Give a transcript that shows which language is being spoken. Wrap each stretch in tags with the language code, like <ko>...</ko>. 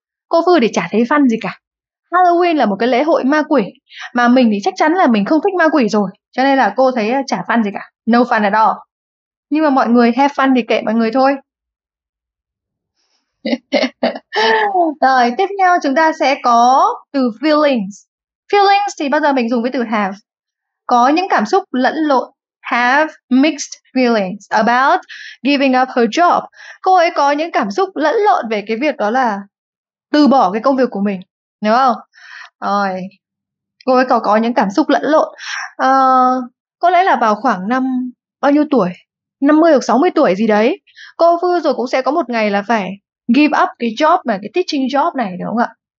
<vi>Cô Phư thì chả thấy fun gì cả. Halloween là một cái lễ hội ma quỷ mà mình thì chắc chắn là mình không thích ma quỷ rồi, cho nên là cô thấy chả fun gì cả.</vi> <en>No fun at all.</en> <vi>Nhưng mà mọi người</vi> <en>have fun</en> <vi>thì kệ mọi người thôi. Rồi, tiếp theo chúng ta sẽ có từ feelings. Feelings thì bao giờ mình dùng với từ have. Có những cảm xúc lẫn lộn.</vi> <en>Have mixed feelings about giving up her job.</en> <vi>Cô ấy có những cảm xúc lẫn lộn về cái việc đó là từ bỏ cái công việc của mình, đúng không? Rồi, cô ấy có những cảm xúc lẫn lộn. À, có lẽ là vào khoảng năm bao nhiêu tuổi, 50 hoặc 60 tuổi gì đấy, cô Phư rồi cũng sẽ có một ngày là phải</vi> <en>give up</en> <vi>cái job mà cái teaching job này, đúng không ạ?</vi>